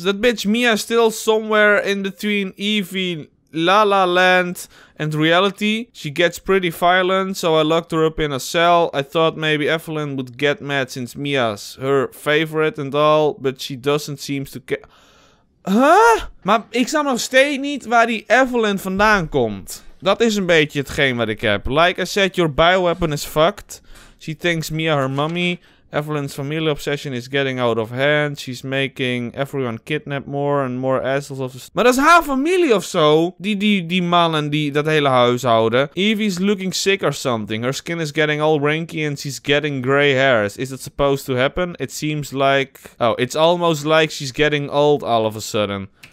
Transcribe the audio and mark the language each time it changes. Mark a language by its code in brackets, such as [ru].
[en] That bitch Mia is still somewhere in between Evie, La La Land and reality. She gets pretty violent, so I locked her up in a cell. I thought maybe Evelyn would get mad since Mia's her favorite and all. But she doesn't seem to care. Huh? [nl] Maar ik snap nog steeds niet waar die Evelyn vandaan komt. Dat is een beetje hetgeen wat ik heb. [en] Like I said, your bioweapon is fucked. She thinks Mia her mommy. Evelyn's family obsession is getting out of hand. She's making everyone kidnap more and more assholes of the... [nl] Maar dat is haar familie of zo. Die mannen die dat hele huis houden. [en] Evie's looking sick or something. Her skin is getting all wrinkly and she's getting gray hairs. Is that supposed to happen? It seems like... Oh, it's almost like she's getting old all of a sudden.